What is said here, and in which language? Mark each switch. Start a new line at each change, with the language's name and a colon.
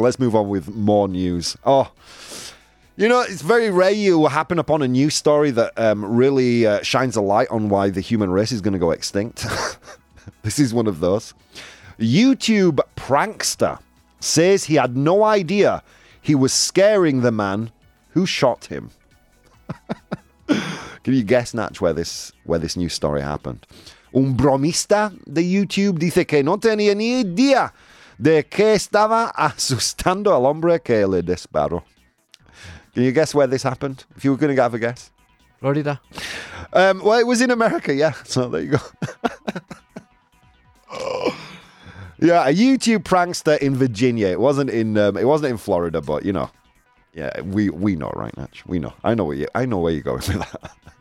English: Let's move on with more news. Oh, you know, it's very rare you happen upon a news story that really shines a light on why the human race is going to go extinct. This is one of those. YouTube prankster says he had no idea he was scaring the man who shot him. Can you guess, Natch, where this news story happened?
Spanish: Un bromista de YouTube dice que no tenía ni idea de que estaba asustando al hombre que le disparó.
English: Can you guess where this happened? If you were going to have a guess. Florida. Well, it was in America, yeah. So there you go. Yeah, a YouTube prankster in Virginia. It wasn't in Florida, but you know. Yeah, we know, right, Natch? We know. I know where you're going with that.